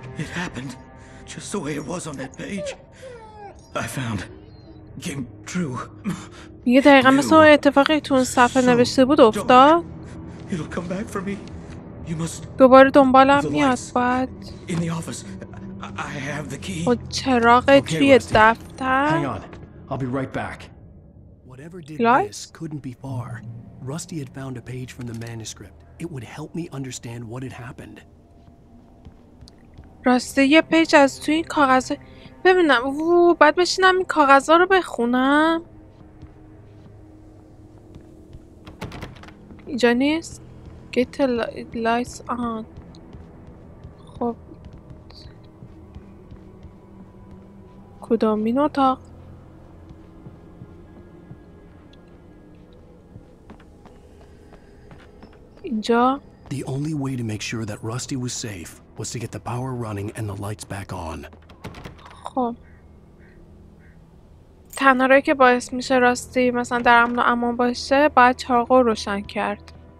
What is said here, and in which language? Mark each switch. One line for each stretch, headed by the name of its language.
English: It happened just the way it was on that page. I found came true.
Persian: یه دقیقا مثل اون اتفاقی تو اون صفحه نوشته بود افتاد.
English: It'll come back for me. You must
Persian: دوباره دنبالم میاد بعد.
English: In the office. I have the key.
Persian: و چراغ توی دفتر.
English: Hang on. I'll be right back. Whatever did this couldn't be far. Rusty had found a page from the manuscript. It would help me understand what had happened.
Persian: راستی یه پیج از توی این کاغذ ببینم. بعد بشینم این کاغذها رو بخونم. اینجا نیست؟
English: Get the lights on.
Persian: خب کدام این اتاق؟ اینجا؟
English: The only way to make sure that Rusty was safe was to get the power running and the lights back on.
Persian: خب تنها رایی که باعث میشه راستی مثلا در امن و امان باشه باید چراغ رو روشن کرد.